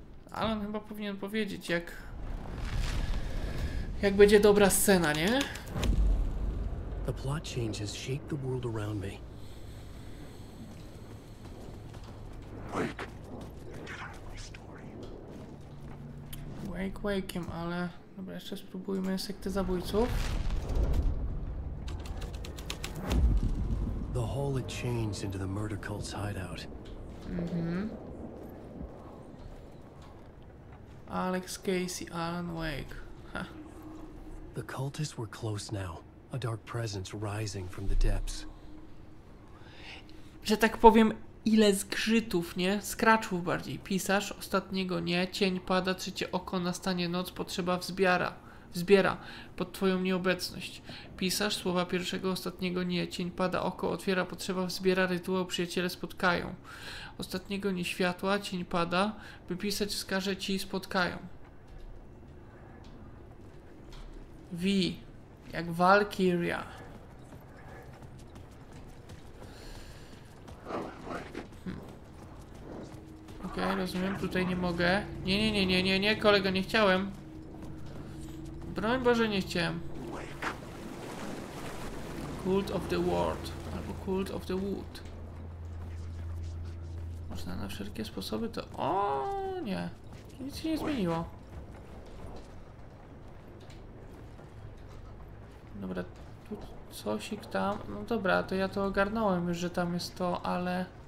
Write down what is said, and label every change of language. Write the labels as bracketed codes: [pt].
[pl] Ale on chyba powinien powiedzieć, jak będzie dobra scena, nie? [en] The plot changes shape the world around me. Wake. [pl] Wake'em, ale dobra, jeszcze spróbujmy sekty zabójców. [en] The hall had changed into the murder cult's hideout. Mhm. Alex Casey, Alan Wake. The cultists were close now. A dark presence rising from the depths. [pl] Że tak powiem, ile zgrzytów, nie? Skraczów bardziej. Pisarz ostatniego nie. Cień pada, trzecie oko, nastanie noc, potrzeba wzbiera. Wzbiera pod twoją nieobecność. Pisarz słowa pierwszego, ostatniego nie. Cień pada, oko otwiera, potrzeba wzbiera, rytuał, przyjaciele spotkają. Ostatniego nie światła, cień pada, by pisać wskaże ci spotkają. V, jak Valkyria. Okej, okay, rozumiem, tutaj nie mogę. Nie, kolego, nie chciałem. Broń Boże, nie chciałem. [en] Cult of the Ward albo Cult of the Wood. [pl] Można na wszelkie sposoby to... O nie, nic się nie zmieniło. Dobra, tu cosik tam. No dobra, to ja to ogarnąłem już, że tam jest to, ale...